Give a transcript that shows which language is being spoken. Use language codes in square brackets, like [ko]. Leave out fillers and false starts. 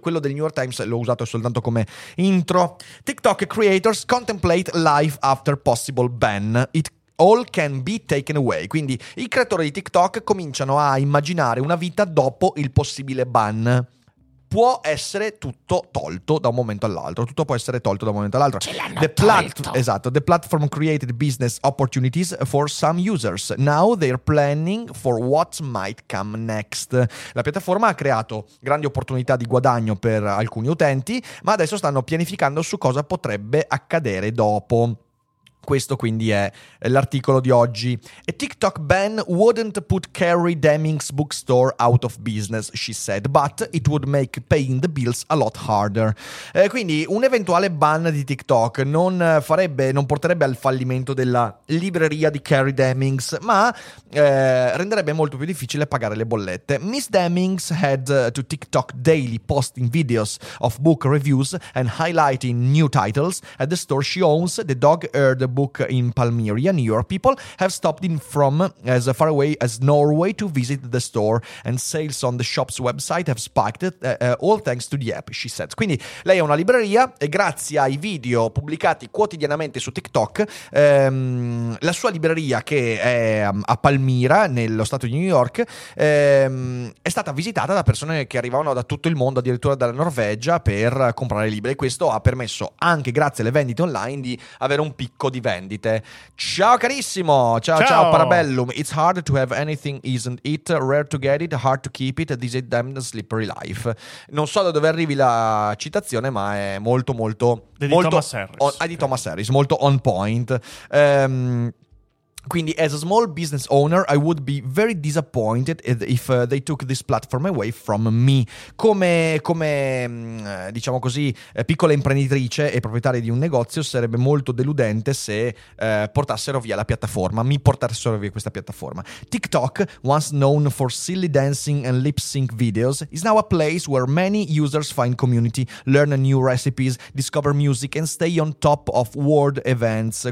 [it] Quello del New York Times l'ho usato soltanto come intro. [en] TikTok creators contemplate life after possible ban. It all can be taken away. [it] Quindi i creatori di TikTok cominciano a immaginare una vita dopo il possibile ban. Può essere tutto tolto da un momento all'altro. Tutto può essere tolto da un momento all'altro. [en] The platform created business opportunities for some users. Now they're planning for what might come next. [it] La piattaforma ha creato grandi opportunità di guadagno per alcuni utenti, ma adesso stanno pianificando su cosa potrebbe accadere dopo. Questo quindi è l'articolo di oggi. [en] A TikTok ban wouldn't put Carrie Deming's bookstore out of business, she said, but it would make paying the bills a lot harder. [it] Quindi un eventuale ban di TikTok non porterebbe al fallimento della libreria di Carrie Deming's, ma renderebbe molto più difficile pagare le bollette. [en] Miss Deming's had to TikTok daily posting videos of book reviews and highlighting new titles at the store she owns, the Dog Eared Book in Palmyra, New York. People have stopped in from as far away as Norway to visit the store, and sales on the shop's website have spiked all thanks to the app, she said. [it] Quindi lei è una libreria e grazie ai video pubblicati quotidianamente su TikTok, la sua libreria, che è a Palmyra, nello stato di New York, è stata visitata da persone che arrivavano da tutto il mondo, addirittura dalla Norvegia, per comprare libri. E questo ha permesso, anche grazie alle vendite online, di avere un picco di vendite. Ciao carissimo, ciao Parabellum. [en] It's hard to have anything, isn't it? Rare to get it, hard to keep it, this is a damn slippery life. [it] Non so da dove arrivi la citazione, ma è molto molto Thomas Harris, Thomas Harris, molto on point. [en] Quindi, as a small business owner, I would be very disappointed if they took this platform away from me. [it] Come diciamo così, piccola imprenditrice e proprietaria di un negozio, sarebbe molto deludente se portassero via la piattaforma, mi portassero via questa piattaforma. [en] TikTok, once known for silly dancing and lip sync videos, is now a place where many users find community, learn new recipes, discover music and stay on top of world events.